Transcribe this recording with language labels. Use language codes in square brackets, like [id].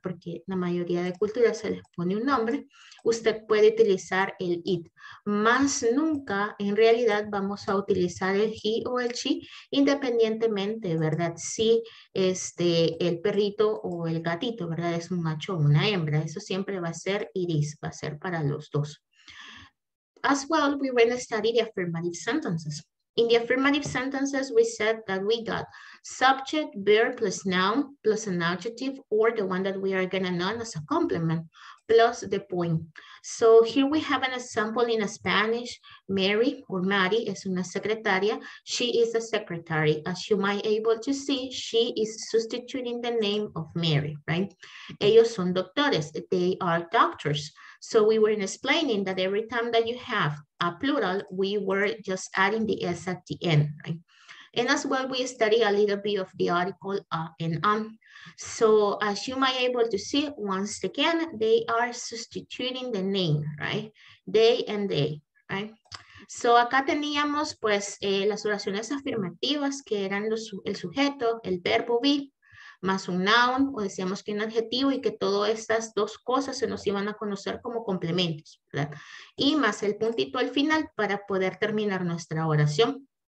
[es] Porque la mayoría de culturas se les pone un nombre, usted puede utilizar el it. Más nunca, en realidad, vamos a utilizar el he o el she, independientemente, ¿verdad? Si el perrito o el gatito, ¿verdad? Es un macho o una hembra. Eso siempre va a ser it is, va a ser para los dos. [en] As well, we will study the affirmative sentences. In the affirmative sentences, we said that we got subject, verb plus noun plus an adjective, or the one that we are going to know as a complement plus the point. So here we have an example in Spanish. Mary or [es] Mari es una secretaria. [en] She is a secretary. As you might able to see, she is substituting the name of Mary, right? [es] Ellos son doctores. [en] They are doctors. So we were explaining that every time that you have a plural, we were just adding the S at the end, right? And as well, we study a little bit of the article and on. So as you might be able to see, once again, they are substituting the name, right? They and they, right? [es] So acá teníamos pues las oraciones afirmativas que eran el sujeto, el verbo be, más un noun, o decíamos que un adjetivo, y que todas estas dos cosas se nos iban a conocer como complementos, ¿verdad? Y más el puntito al final para poder terminar nuestra oración.